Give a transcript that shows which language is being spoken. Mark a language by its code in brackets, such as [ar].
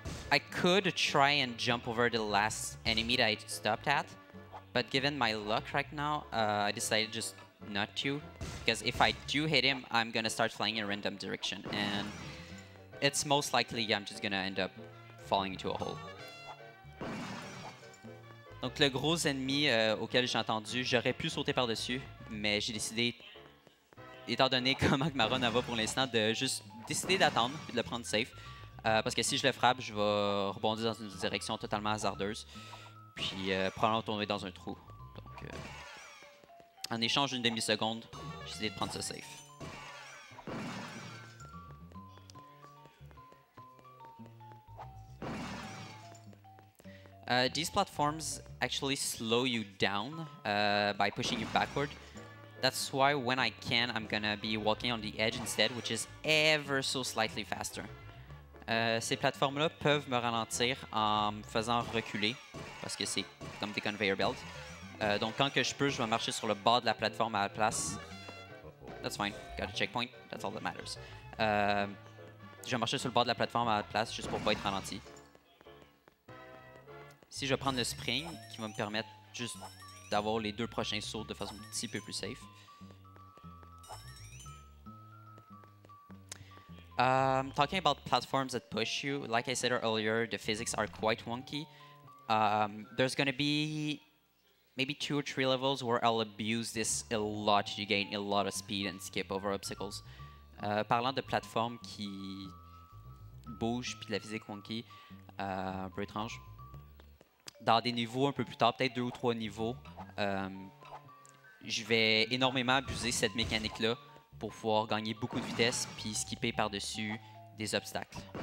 [en] I could try and jump over the last enemy that I stopped at, but given my luck right now, I decided just not to, because if I do hit him, I'm gonna start flying in a random direction, and it's most likely I'm just gonna end up falling into a hole. [fr] Donc le gros ennemi auquel j'ai entendu, j'aurais pu sauter par-dessus, mais j'ai décidé, étant donné comment ma run va pour l'instant, de juste décider d'attendre et de le prendre safe. Parce que si je le frappe, je vais rebondir dans une direction totalement hasardeuse, puis probablement tomber dans un trou. Donc, en échange d'une demi-seconde, j'ai décidé de prendre ça safe. [en] These platforms actually slow you down by pushing you backward. That's why when I can, I'm gonna be walking on the edge instead, which is ever so slightly faster. [fr] Ces plateformes-là peuvent me ralentir en me faisant reculer, parce que c'est comme des conveyor belts. Donc quand que je peux, je vais marcher sur le bas de la plateforme à la place. [en] That's fine, got a checkpoint, that's all that matters. [fr] Je vais marcher sur le bas de la plateforme à la place juste pour pas être ralenti. Si je vais prendre le spring, qui va me permettre juste d'avoir les deux prochains sauts de façon un petit peu plus safe. [en] Talking about platforms that push you, like I said earlier, the physics are quite wonky. There's gonna be maybe two or three levels where I'll abuse this a lot. You gain a lot of speed and skip over obstacles. [fr] Parlant de plateformes qui bougent puis de la physique wonky, un peu étrange. Dans des niveaux un peu plus tard, peut-être deux ou trois niveaux, je vais énormément abuser cette mécanique-là pour pouvoir gagner beaucoup de vitesse puis skipper par-dessus des obstacles.